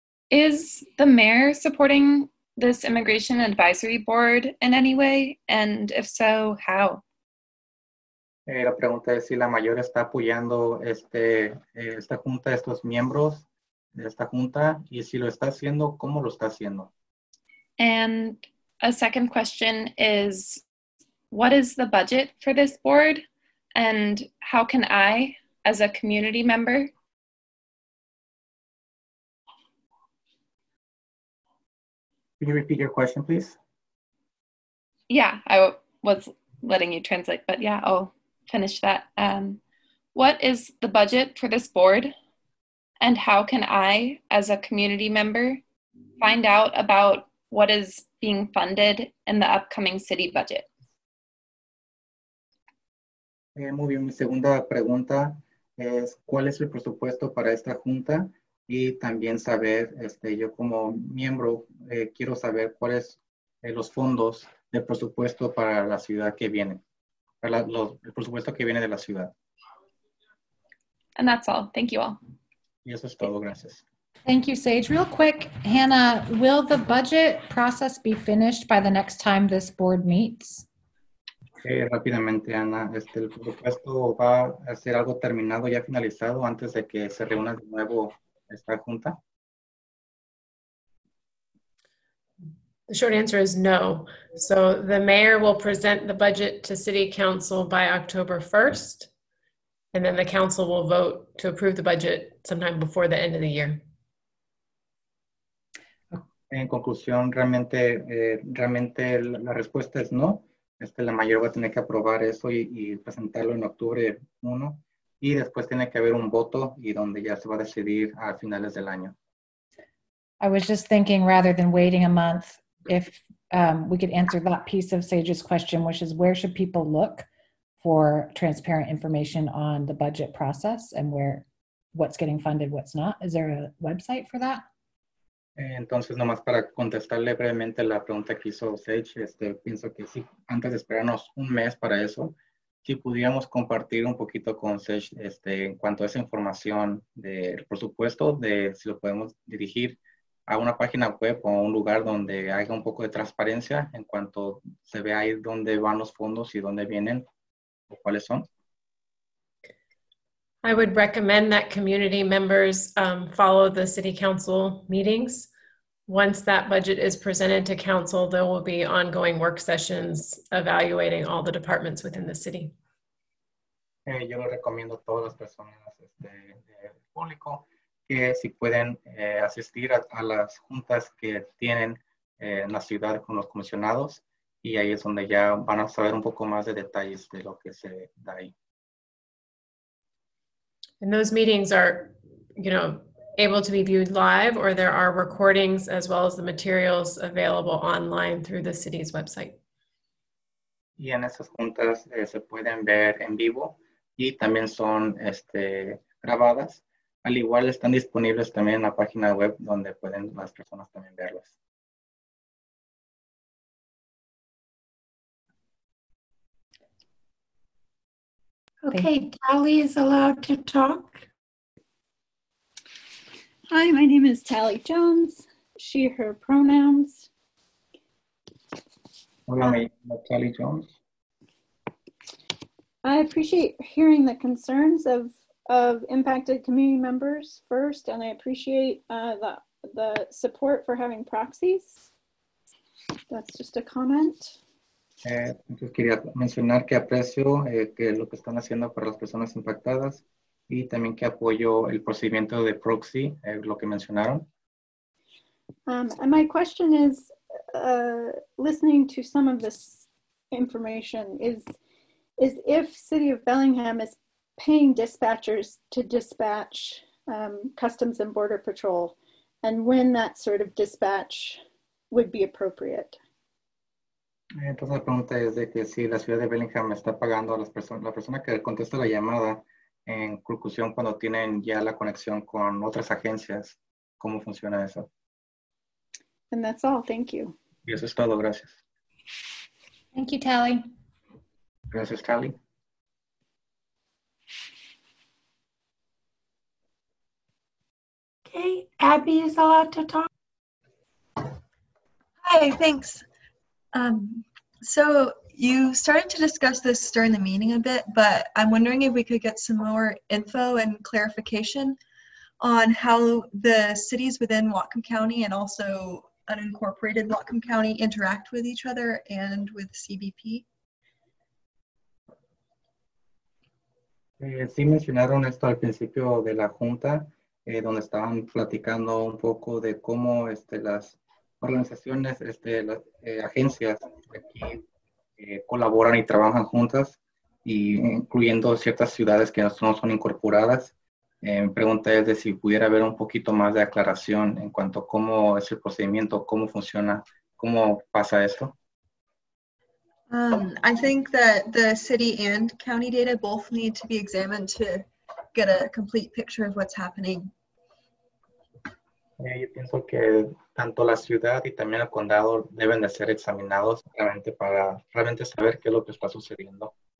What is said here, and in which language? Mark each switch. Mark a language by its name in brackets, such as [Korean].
[English] Is the mayor supporting this immigration advisory board in any way? And if so, how? [Spanish] La pregunta es si la mayor está apoyando esta junta, estos miembros de esta junta, y si lo está haciendo, ¿cómo lo está haciendo? [English] And a second question is, what is the budget for this board? And how can I, as a community member? Can you repeat your question, please? Yeah, I was letting you translate, but yeah, I'll finish that. What is the budget for this board? And how can I, as a community member, find out about what is being funded in the upcoming city budget? [Spanish] Muy bien, mi segunda pregunta es ¿cuál es el presupuesto para esta junta? Y también saber, yo como miembro, quiero saber cuáles los fondos de presupuesto para la ciudad que viene. El presupuesto que viene de la ciudad. [English] And that's all. Thank you all. [Spanish] Y eso es todo. Gracias. [English] Thank you, Sage. Real quick, Hannah, will the budget process be finished by the next time this board meets? [Spanish] Rápidamente, Ana. El presupuesto va a ser algo terminado, ya finalizado, antes de que se reúna de nuevo esta junta. [English] The short answer is no. So the mayor will present the budget to city council by October 1st, and then the council will vote to approve the budget sometime before the end of the year. [Spanish] En conclusión, realmente la respuesta es no. La mayor va a tener que aprobar eso y presentarlo en octubre 1. Y después tiene que haber un voto y donde ya se va a decidir a finales del año. [English] I was just thinking, rather than waiting a month, if we could answer that piece of Sage's question, which is where should people look for transparent information on the budget process and where, what's getting funded, what's not? Is there a website for that? [Spanish] Entonces, nomás para contestarle brevemente la pregunta que hizo Sage, pienso que sí, antes de esperarnos un mes para eso, si pudiéramos compartir un poquito con Sage en cuanto a esa información del presupuesto, de si lo podemos dirigir a una página web o a un lugar donde haya un poco de transparencia en cuanto se vea ahí dónde van los fondos y dónde vienen o cuáles son. [English] I would recommend that community members follow the city council meetings. Once that budget is presented to council, there will be ongoing work sessions evaluating all the departments within the city. [Spanish] Yo lo recomiendo a todas las personas del público que si pueden asistir a las juntas que tienen en la ciudad con los comisionados, y ahí es donde ya van a saber un poco más de detalles de lo que se da ahí. [English] And those meetings are, you know, able to be viewed live, or there are recordings as well as the materials available online through the city's website. [Spanish] Y en esas juntas se pueden ver en vivo y también son grabadas. Al igual están disponibles también en la página web donde pueden las personas también verlas. [English] Okay, Tally is allowed to talk. Hi, my name is Tally Jones, she, her pronouns. Hola, my name is Tally Jones. I appreciate hearing the concerns of impacted community members first, and I appreciate the support for having proxies. That's just a comment. [Spanish] Entonces quería mencionar que aprecio que lo que están haciendo para las personas impactadas y también que apoyo el procedimiento de proxy, lo que mencionaron. [English] And my question is, listening to some of this information, is if City of Bellingham is paying dispatchers to dispatch Customs and Border Patrol, and when that sort of dispatch would be appropriate. [Spanish] Entonces la pregunta es de que si la ciudad de Bellingham está pagando a las personas, la persona que contesta la llamada en conclusión cuando tienen ya la conexión con otras agencias, ¿cómo funciona eso? [English] And that's all, thank you. [Spanish] Y eso es todo, gracias. [English] Thank you, Tally. [Spanish] Gracias, Tally. [English] Okay, Abby is allowed to talk. Hi, thanks. So you started to discuss this during the meeting a bit, but I'm wondering if we could get some more info and clarification on how the cities within Whatcom County and also unincorporated Whatcom County interact with each other and with CBP. [Spanish] Sí mencionaron esto al principio de la junta, donde estaban platicando un poco de cómo las organizaciones, las agencias aquí colaboran y trabajan juntas, y incluyendo ciertas ciudades que no son incorporadas. Mi pregunta es de si pudiera haber un poquito más de aclaración en cuanto a cómo es el procedimiento, cómo funciona, cómo pasa esto. [English] I think that the city and county data both need to be examined to get a complete picture of what's happening. [Spanish] Yo pienso que tanto la ciudad y también el condado deben de ser examinados realmente para realmente saber qué es lo que está sucediendo.